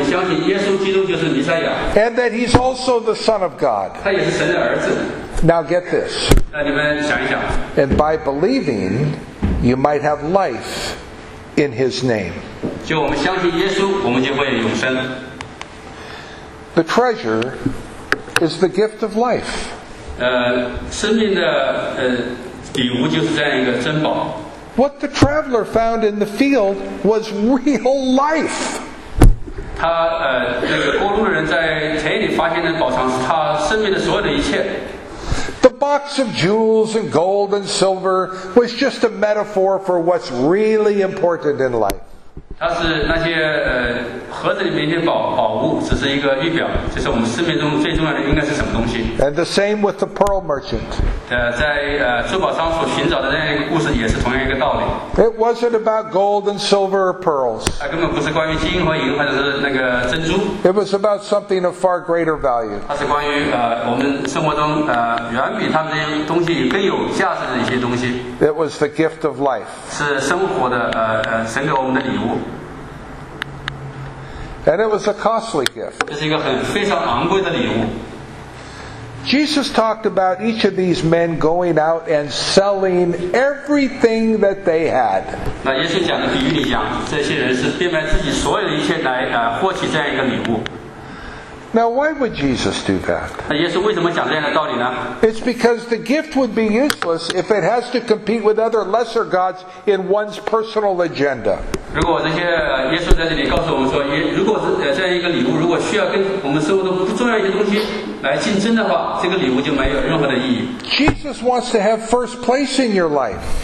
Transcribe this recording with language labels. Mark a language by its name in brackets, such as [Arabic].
[English] And that he's also the Son of God. Now get this. And by believing,You might have life in His name. [Chinese] 就我们相信耶稣，我们就会永生。 [English] The treasure is the gift of life. [Chinese] 生命的礼物就是这样一个珍宝。 [English] What the traveler found in the field was real life. [Chinese] 他那个过路人在田里发现的宝藏是他生命的所有的一切。 [English] The box of jewels and gold and silver was just a metaphor for what's really important in life. [Chinese] 它是那些盒子里面的宝物，只是一个预表，就是我们生命中最重要的应该是什么东西。 [English] And the same with the pearl merchant. [Chinese] 在珠宝商所寻找的那样一个故事也是同样一个道理。 [English] It wasn't about gold and silver or pearls. [Chinese] 它根本不是关于金和银或者是那个珍珠。 [English] It was about something of far greater value. [Chinese] 它是关于我们生活中远比他们这些东西更有价值的一些东西。 [English] It was the gift of life. [Chinese] 是生活的神给我们的礼物。 [English] And it was a costly gift. [Chinese] 这是一个非常昂贵的礼物。 [English] Jesus talked about each of these men going out and selling everything that they had. [Chinese] 那耶稣讲的比喻里讲，这些人是变卖自己所有的一切来获取这样一个礼物。 [English] Now, why would Jesus do that? [Chinese] 那耶稣为什么讲这样的道理呢？ [English] It's because the gift would be useless if it has to compete with other lesser gods in one's personal agenda. [Chinese] 如果这些耶稣在这里告诉我们说，如果这样一个礼物，如果需要跟我们生活中不重要一些东西来竞争的话，这个礼物就没有任何的意义。 [English] Jesus wants to have first place in your life.